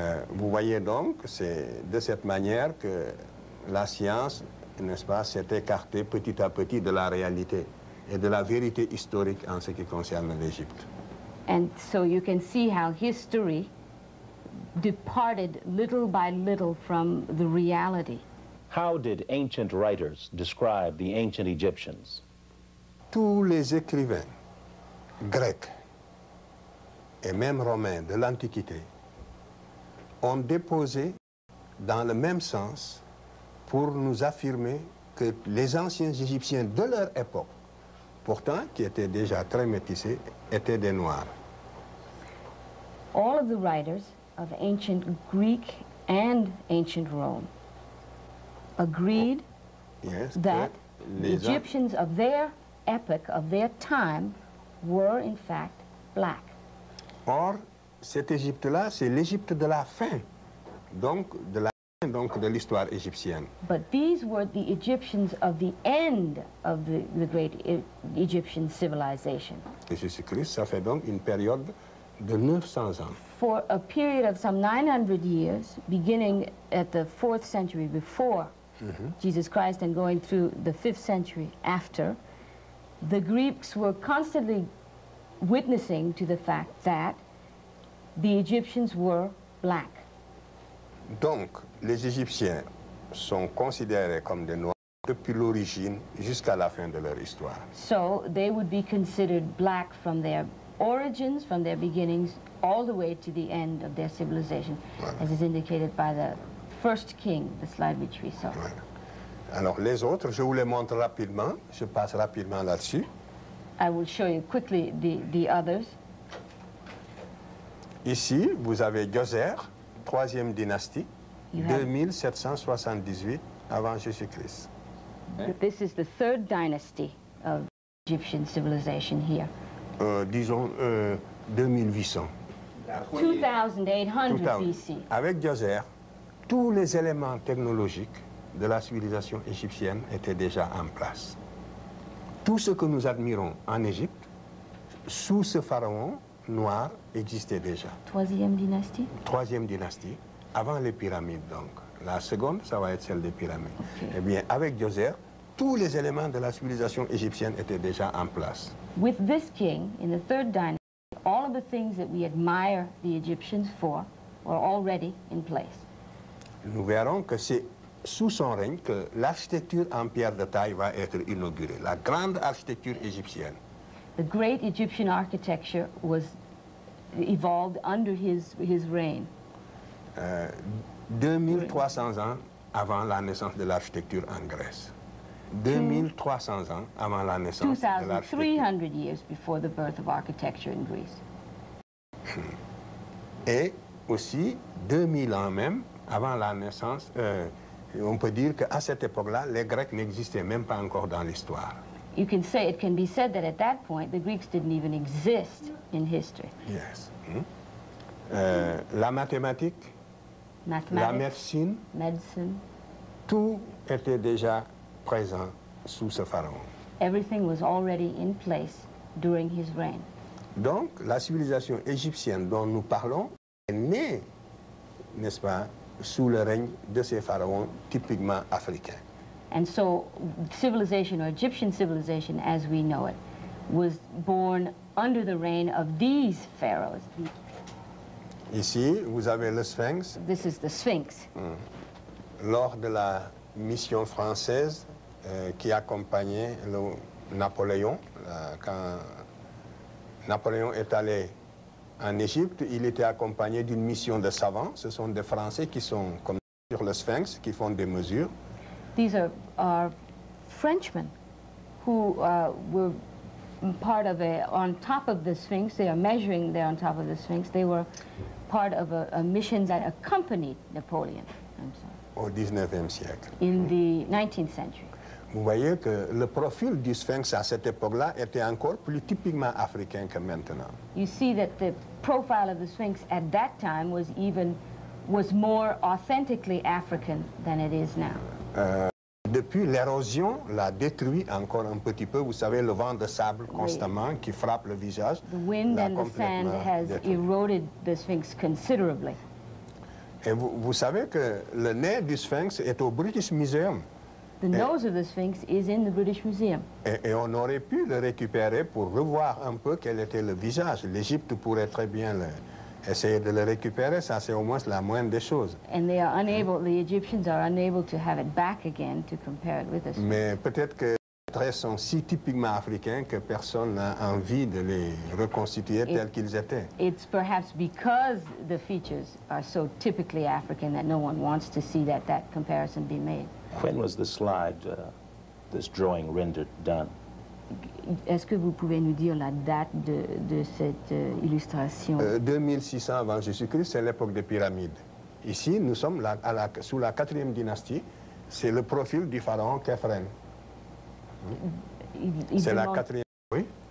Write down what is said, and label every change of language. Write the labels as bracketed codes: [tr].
[fr] Vous voyez donc, c'est de cette manière que la science, n'est-ce pas, s'est écartée petit à petit de la réalité et de la vérité historique en ce qui concerne l'Égypte. [en] And so you can see how history departed little by little from the reality. How did ancient writers describe the ancient Egyptians? [fr] Tous les écrivains grecs et même romains de l'Antiquité ont déposé dans le même sens pour nous affirmer que les anciens Égyptiens de leur époque, pourtant qui étaient déjà très métissés, étaient des Noirs. [en] All of the writers of ancient Greek and ancient Rome agreed that the Egyptians of their epoch, of their time, were in fact black. [fr] Or, cette Égypte-là, c'est l'Égypte de la fin, donc de l'histoire égyptienne. [en] But these were the Egyptians of the end of the great Egyptian civilization. [fr] Jésus-Christ, ça fait donc une période de 900 ans. [en] For a period of some 900 years, beginning at the 4th century before Jesus Christ and going through the 5th century after, the Greeks were constantly witnessing to the fact that the Egyptians were black. [fr] Donc, les Égyptiens sont considérés comme des Noirs depuis l'origine jusqu'à la fin de leur histoire. [en] So, they would be considered black from their origins, from their beginnings, all the way to the end of their civilization, voilà. As is indicated by the first king, the slide which we saw. [fr] Voilà. Alors, les autres, je vous les montre rapidement. Je passe rapidement là-dessus. [en] I will show you quickly the others. [fr] Ici, vous avez Djoser, troisième dynastie, 2778 avant Jésus-Christ. [en] This is the third dynasty of Egyptian civilization here. [fr] Disons 2800. [en] 2800 BC. [fr] Avec Djoser, tous les éléments technologiques de la civilisation égyptienne étaient déjà en place. Tout ce que nous admirons en Égypte, sous ce pharaon noir, existait déjà. Troisième dynastie, avant les pyramides donc. La seconde, ça va être celle des pyramides. [en] Okay. [fr] Eh bien, avec Djoser, tous les éléments de la civilisation égyptienne étaient déjà en place. [en] With this king, in the third dynasty, all of the things that we admire the Egyptians for were already in place. [fr] Nous verrons que c'est sous son règne que l'architecture en pierre de taille va être inaugurée, la grande architecture égyptienne. [en] The great Egyptian architecture was evolved under his reign. [fr] 2300 ans avant la naissance de l'architecture en Grèce. 2300 ans avant la naissance de l'architecture. [en] 2,300 years before the birth of architecture in Greece. [fr] Et aussi 2000 ans même avant la naissance, on peut dire qu'à cette époque-là, les Grecs n'existaient même pas encore dans l'histoire. [en] You can say, it can be said that at that point, the Greeks didn't even exist in history. Yes. [fr] La mathématique, [en] mathematics, [fr] la médecine, [en] medicine, [fr] tout était déjà présent sous ce pharaon. [en] Everything was already in place during his reign. [fr] Donc, la civilisation égyptienne dont nous parlons est née, n'est-ce pas, sous le règne de ces pharaons typiquement africains. [en] And so civilization, or Egyptian civilization as we know it, was born under the reign of these pharaohs. [fr] Ici, vous avez le Sphinx. [en] This is the Sphinx. [fr] Lors de la mission française qui accompagnait le Napoléon, quand Napoléon est allé en Égypte, il était accompagné d'une mission de savants. Ce sont des Français qui sont comme sur le Sphinx, qui font des mesures. [en] These are Frenchmen who were part of a, on top of the Sphinx, they are measuring there on top of the Sphinx, they were part of a mission that accompanied Napoleon. [fr] Au 19e siècle. [en] In the 19th century. [fr] Vous voyez que le profil du Sphinx à cette époque-là était encore plus typiquement africain que maintenant. [en] You see that the profile of the Sphinx at that time was even was more authentically African than it is now. [fr] Depuis, l'érosion l'a détruit encore un petit peu. Vous savez, le vent de sable constamment qui frappe le visage. [en] The wind and the sand has eroded the Sphinx considerably. [fr] Et vous, vous savez que le nez du Sphinx est au British Museum. [en] The nose of the Sphinx is in the British Museum. [fr] Et on aurait pu le récupérer pour revoir un peu quel était le visage. L'Égypte pourrait très bien le, essayer de le récupérer. Ça, c'est au moins la moindre des choses. [en] And they are unable, the Egyptians are unable to have it back again to compare it with the Sphinx. [fr] Mais peut-être que les traits sont si typiquement africains que personne n'a envie de les reconstituer tels qu'ils étaient. [en] It's perhaps because the features are so typically African that no one wants to see that that comparison be made. When was the slide, this drawing rendered done? [fr] Est-ce que vous pouvez nous dire la date de cette illustration? 2600 avant Jésus-Christ, c'est l'époque des pyramides. Ici, nous sommes là, à la, sous la 4e dynastie. C'est le profil du pharaon Khéphren. C'est la quatrième, oui.